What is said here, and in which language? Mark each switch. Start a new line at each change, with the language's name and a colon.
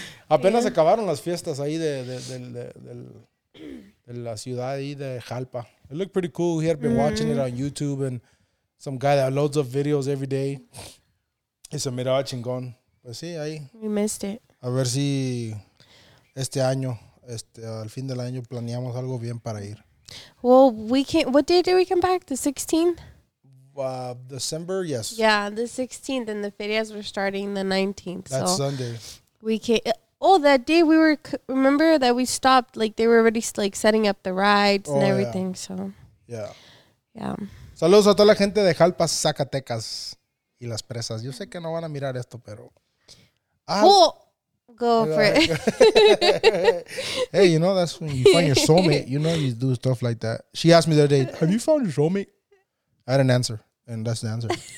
Spanish: Apenas acabaron las fiestas ahí de la ciudad ahí de Jalpa.
English: It looked pretty cool. He had been watching it on YouTube, and some guy that loads up videos every day.
Spanish: Es un mirado chingón. Pues sí, ahí.
English: We missed it.
Spanish: A ver si este año, al fin del año, planeamos algo bien para ir.
English: Well, we can't. What day did we come back? The 16th? December, yes. Yeah, the 16th, and the ferias were starting the 19th. That's so Sunday. We came. Oh, that day we were. Remember that we stopped? Like they were already like setting up the rides and everything. Yeah. So. Yeah. Yeah.
Spanish: Saludos a toda la gente de Jalpa, Zacatecas y las presas. Yo sé que no van a mirar esto, pero.
English: Cool. Go for it. Hey, you know that's when you find your soulmate. You know you do stuff like that. She asked me the other day, "Have you found your soulmate?" I had an answer, and that's the answer.